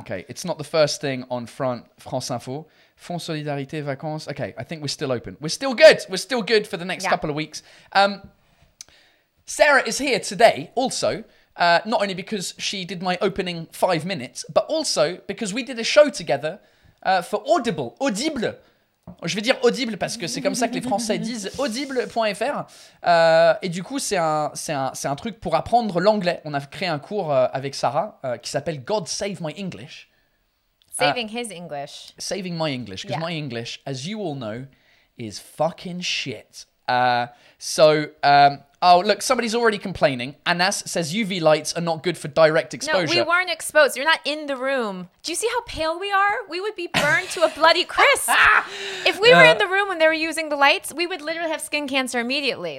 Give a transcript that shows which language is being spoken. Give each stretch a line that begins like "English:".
English: Okay, it's not the first thing on France Info. Fonds Solidarité Vacances. Okay, I think we're still open. We're still good. We're still good for the next couple of weeks. Sarah is here today also, not only because she did my opening 5 minutes, but also because we did a show together for Audible.
French: Je vais dire Audible parce que c'est comme ça que les Français disent audible.fr. Et du coup, c'est un truc pour apprendre l'anglais. On a créé un cours avec Sarah qui s'appelle God Save My English.
English: Saving his English. Saving my English. Because my English, as you all know, is fucking shit. Look, somebody's already complaining. Anas says UV lights are not good for direct exposure. No, we weren't exposed. You're not in the room. Do you see how pale we are? We would be burned to a bloody crisp. If we were in the room when they were using the lights, we would literally have skin cancer immediately.